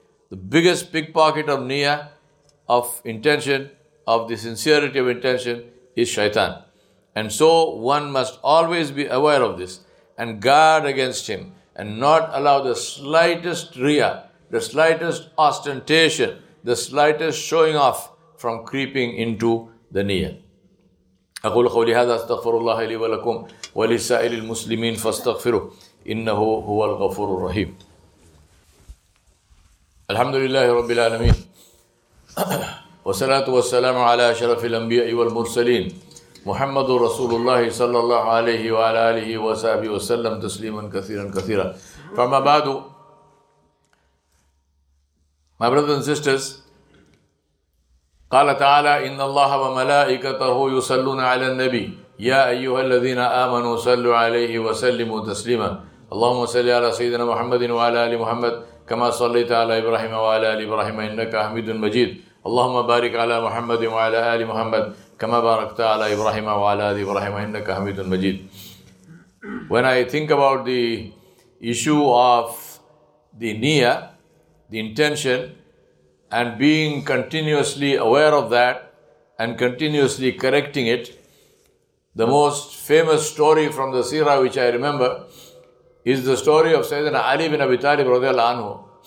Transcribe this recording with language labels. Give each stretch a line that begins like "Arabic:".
English: The biggest pickpocket of niyyah, of intention, of the sincerity of intention, is shaitan. And so one must always be aware of this and guard against him and not allow the slightest riya, the slightest ostentation, the slightest showing off from creeping into the niyyah.
Arabic: أقول قولي هذا استغفر الله لي ولكم ولسائر المسلمين فاستغفروه إنه هو الغفور الرحيم. الحمد لله رب العالمين والصلاة والسلام على أشرف الأنبياء والمرسلين محمد رسول الله صلى الله عليه وعلى آله وصحبه وسلم تسليما كثيرا كثيرا. فما بعد,
English: my brothers and sisters,
Arabic: قال تعالى إن الله وملائكته يصلون على النبي يا أيها الذين آمنوا صلوا عليه وسلموا تسليما اللهم صل على سيدنا محمد وعلى آل محمد كما صليت على إبراهيم وعلى آل إبراهيم إنك حميد مجيد اللهم بارك على محمد وعلى آل محمد كما باركت على إبراهيم وعلى آل إبراهيم إنك حميد مجيد.
English: When I think about the issue of the niyyah, the intention, and being continuously aware of that and continuously correcting it, the most famous story from the seerah which I remember is the story of Sayyidina Ali bin Abi Talib radiallahu anhu.